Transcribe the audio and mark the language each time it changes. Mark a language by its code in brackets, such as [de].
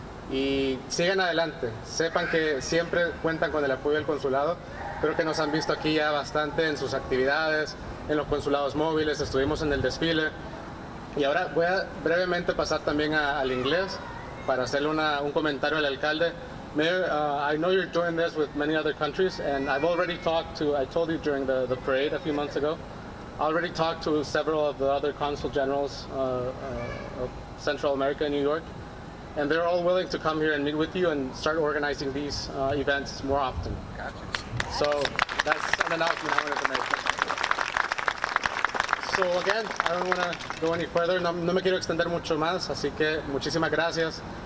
[es] Y sigan adelante. Sepan que siempre cuentan con el apoyo del consulado. Creo que nos han visto aquí ya bastante en sus actividades, en los consulados móviles, estuvimos en el desfile. Y ahora voy a brevemente pasar también al inglés para hacerle un comentario al alcalde. [en] Mayor, I know you're doing this with many other countries, and I've already talked to, I told you during the parade a few months ago, I already talked to several of the other consul generals of Central America and New York, and they're all willing to come here and meet with you and start organizing these events more often. Gotcha. So that's an announcement I wanted to make. So again, I don't want to go any further. [es] No me quiero extender mucho más, así que muchísimas gracias.